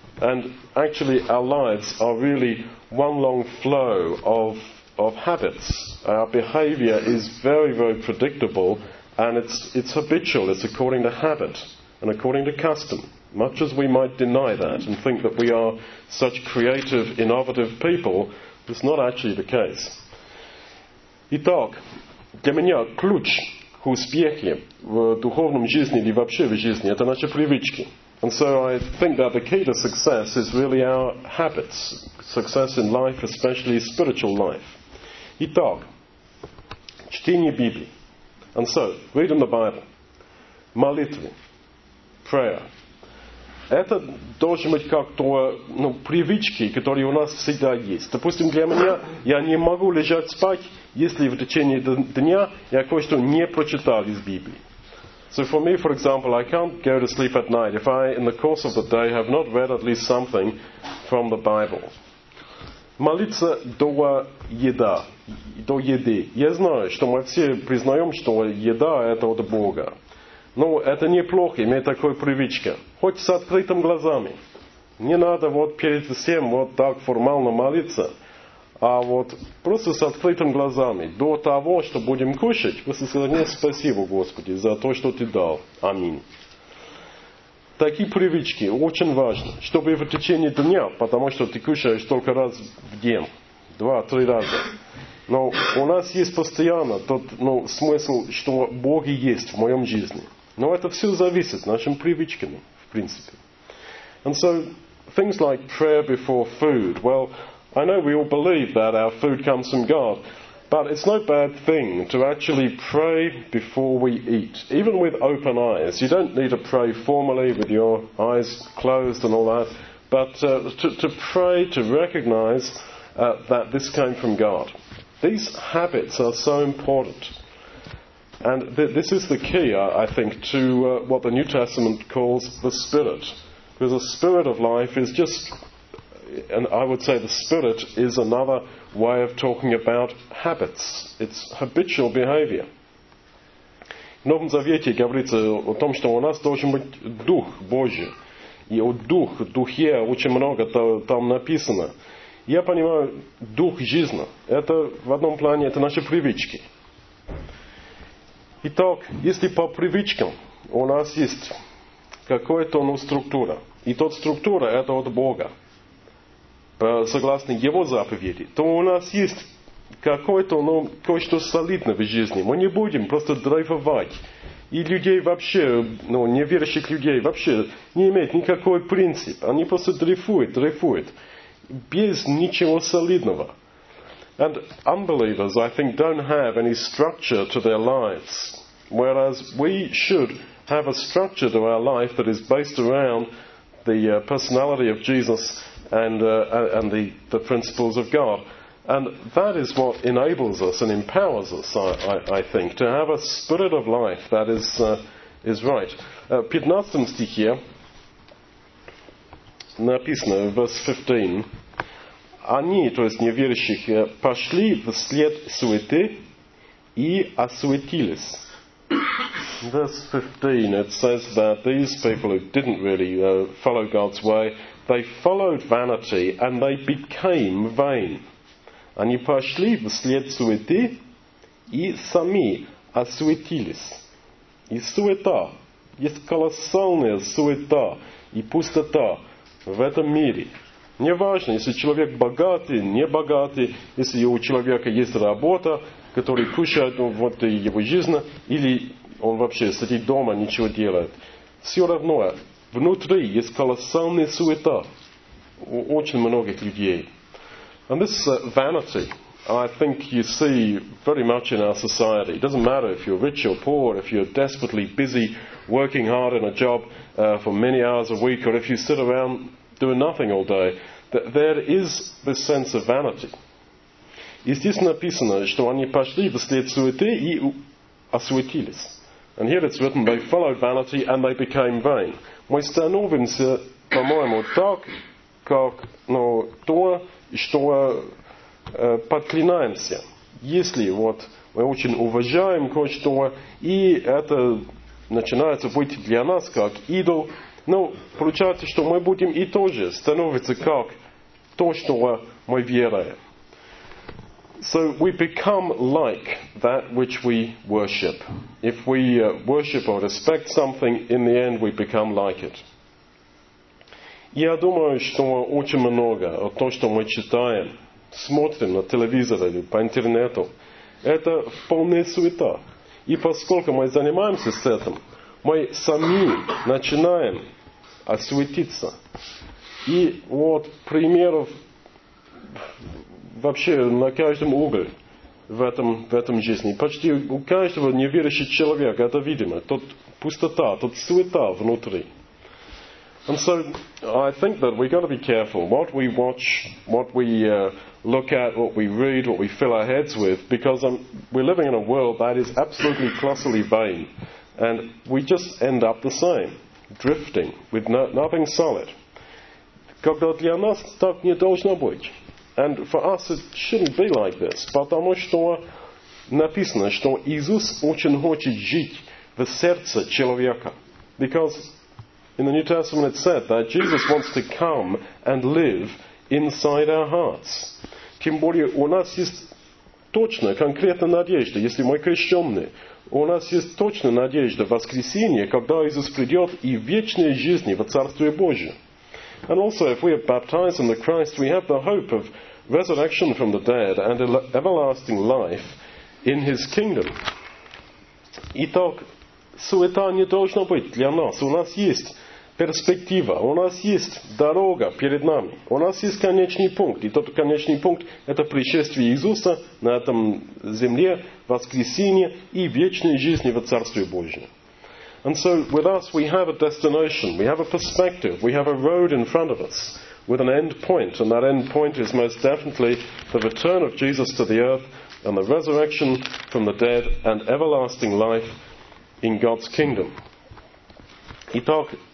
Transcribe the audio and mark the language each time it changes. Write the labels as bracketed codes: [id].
[en] And actually our lives are really one long flow of habits. Our behavior is very, very predictable and it's habitual, it's according to habit and according to custom. Much as we might deny that and think that we are such creative, innovative people, it's not actually the case. [ru] Итак, для меня ключ к успеху в духовном жизни или вообще в жизни это наши привычки. [en] And so I think that the key to success is really our habits. Success in life, especially spiritual life. [ru] Итак, чтение Библии. [en] And so, reading the Bible. [ru] Молитвы. [en] Prayer. [ru] Это должен быть как-то, ну, привычки, которые у нас всегда есть. Допустим, для меня, я не могу лежать спать, если в течение дня я кое-что не прочитал из Библии. So for me, for example, I can't go to sleep at night if I, in the course of the day, have not read at least something from the Bible. Молиться до еда, до еды. Я знаю, что мы все признаем, что еда – это от Бога. Но это неплохо, иметь такую привычку. Хоть с открытыми глазами. Не надо вот перед всем вот так формально молиться. А вот просто с открытыми глазами, до того, что будем кушать, просто сказать, нет, спасибо, Господи, за то, что Ты дал. Аминь. Такие привычки очень важны, чтобы в течение дня, потому что ты кушаешь только раз в день, 2-3 раза. Но у нас есть постоянно тот, ну, смысл, что Бог есть в моем жизни. Но это все зависит нашими привычками, в принципе. [en] And so, things like prayer before food, well, I know we all believe that our food comes from God, but it's no bad thing to actually pray before we eat, even with open eyes. You don't need to pray formally with your eyes closed and all that, but to pray to recognize that this came from God. These habits are so important. And this is the key, I think, to what the New Testament calls the Spirit. Because the spirit of life is just, and I would say the spirit is another way of talking about habits. It's habitual behavior. [ru] В Новом Завете говорится о том, что у нас должен быть Дух Божий. И о Духе очень много там написано. Я понимаю, Дух жизни. Это в одном плане, это наши привычки. Итак, если по привычкам у нас есть какая-то структура, и тот структура это от Бога, согласно Его заповеди, то у нас есть какое-то, кое-что солидное в жизни. Мы не будем просто драйвовать. И людей вообще, неверующих людей вообще не имеет никакой принципа. Они просто дрейфуют. Без ничего солидного. [en] And unbelievers, I think, don't have any structure to their lives. Whereas we should have a structure to our life that is based around the personality of Jesus and the principles of God. And that is what enables us and empowers us, I think, to have a spirit of life that is right. [ru] В 15 стихе написано, в verse 15, они, то есть неверующих, пошли вслед суеты и осуетились. [en] Verse 15, it says that these people who didn't really follow God's way, they followed vanity and they became vain. [ru] Они пошли вслед суеты и сами осуетились. И суета, есть колоссальная суета и пустота в этом мире. Неважно, если человек богатый, не богатый, если у человека есть работа, которая кушает вот его жизнь, или он вообще сидит дома, ничего делает. Все равно, внутри есть колоссальная суета у очень многих людей. [en] And this vanity, I think you see very much in our society. It doesn't matter if you're rich or poor, if you're desperately busy working hard in a job for many hours a week, or if you sit around doing nothing all day, that there is this sense of vanity. [ru] И здесь написано, что они пошли вслед суеты и осуетились. [en] And here it's written, they followed vanity and they became vain. [ru] Мы становимся, по-моему, так, как, то, что подклинаемся, если вот мы очень уважаем кое-что, и это начинается быть для нас как идол, получается, что мы будем и тоже становиться как то, что мы веруем. [en] So we become like that which we worship. If we worship or respect something, in the end we become like it. [ru] Я думаю, что очень много о том, что мы читаем, смотрим на телевизоре или по интернету, это полная суета. И поскольку мы занимаемся с этим, мы сами начинаем осуетиться. И вот примеров вообще на каждом угле в этом жизни. Почти у каждого неверующего человека это видимо. Тут пустота, тут суета внутри. [en] And so I think that we've got to be careful what we watch, what we look at, what we read, what we fill our heads with, because we're living in a world that is absolutely colossally vain. And we just end up the same, drifting, with nothing solid. [ru] Когда для нас так не должно быть. [en] And for us it shouldn't be like this. [ru] Потому что написано, что Иисус очень хочет жить в сердце человека. [en] Because in the New Testament it said that Jesus wants to come and live inside our hearts. [ru] Тем более у нас есть точная, конкретная надежда, если мы крещённые. У нас есть точная надежда воскресения, когда Иисус придёт и вечной жизни во Царстве Божьем. [en] And also if we are baptized in the Christ, we have the hope of resurrection from the dead and everlasting life in His kingdom. [ru] Итак, суета не должна быть для нас. У нас есть перспектива, у нас есть дорога перед нами, у нас есть конечный пункт, и тот конечный пункт это пришествие Иисуса на этом земле, воскресение и вечной жизни во Царстве Божьем. [en] And so with us we have a destination, we have a perspective, we have a road in front of us with an end point, and that end point is most definitely the return of Jesus to the earth and the resurrection from the dead and everlasting life in God's kingdom. Итак,